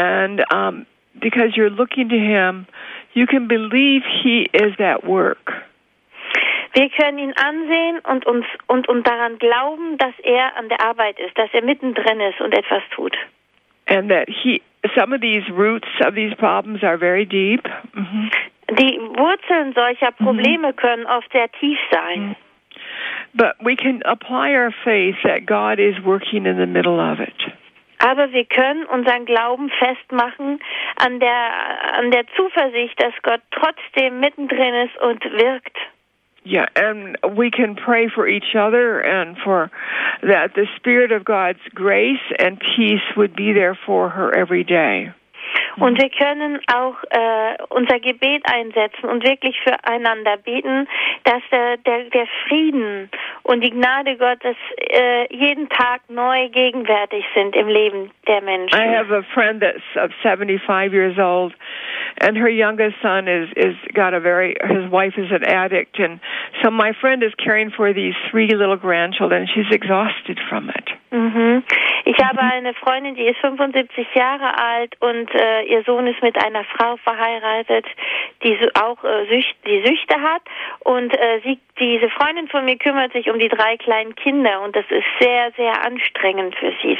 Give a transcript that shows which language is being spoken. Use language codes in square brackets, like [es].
[en] And because you're looking to him, you can believe he is at work. [de] Wir können ihn ansehen und uns daran glauben, dass er an der Arbeit ist, dass er mittendrin ist und etwas tut. [en] And that some of these roots of these problems are very deep. [de] Mm-hmm. Die Wurzeln solcher Probleme mm-hmm. können oft sehr tief sein. [en] But we can apply our faith that God is working in the middle of it. [de] Aber wir können unseren Glauben festmachen an der Zuversicht, dass Gott trotzdem mittendrin ist und wirkt. [en] Yeah, and we can pray for each other and for that the Spirit of God's grace and peace would be there for her every day. [de] Und wir können auch unser Gebet einsetzen und wirklich füreinander beten, dass der Frieden und die Gnade Gottes jeden Tag neu gegenwärtig sind im Leben der Menschen. [en] I have a friend that's 75 years old, and her youngest son his wife is an addict, and so my friend is caring for these three little grandchildren. She's exhausted from it. Mhm. [de] Ich habe eine Freundin, die ist 75 Jahre alt und ihr Sohn ist mit einer Frau verheiratet, die auch Süchte hat. Und diese Freundin von mir kümmert sich um die drei kleinen Kinder und das ist sehr, sehr anstrengend für sie.